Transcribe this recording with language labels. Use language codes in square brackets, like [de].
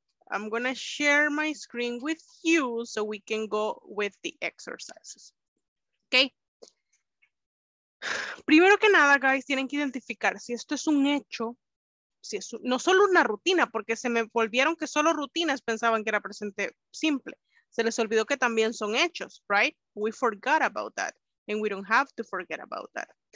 [en] I'm going to share my screen with you so we can go with the exercises. Okay. [es] Primero que nada, guys, tienen que identificar si esto es un hecho, si es no solo una rutina, porque se me volvieron que solo rutinas pensaban que era presente simple. Se les olvidó que también son hechos, right? [en] We forgot about that. And we don't have to forget about that.